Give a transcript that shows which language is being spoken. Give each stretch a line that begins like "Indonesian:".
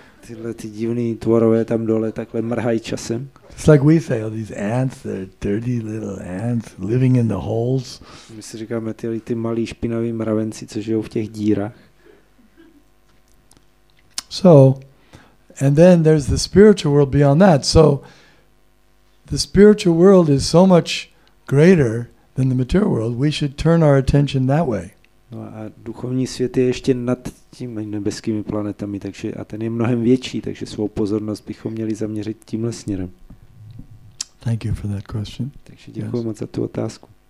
Czech: Tyhle ty divný tvorové tam dole takhle mrhají časem.
English: It's like we say, oh, these ants, they're dirty little ants living in the holes.
Czech: My si říkáme, tyhle ty malí špinaví mravenci, co žijou v těch dírách.
English: So, and then there's the spiritual world beyond that. So, the spiritual world is so much greater than the material world. We should turn our attention that way.
Czech: No a duchovní svět je ještě nad těmi nebeskými planetami, takže a ten je mnohem větší, takže svou pozornost bychom měli zaměřit tímhle směrem.
English: Thank you for that question.
Czech: Takže děkuji moc za tu otázku.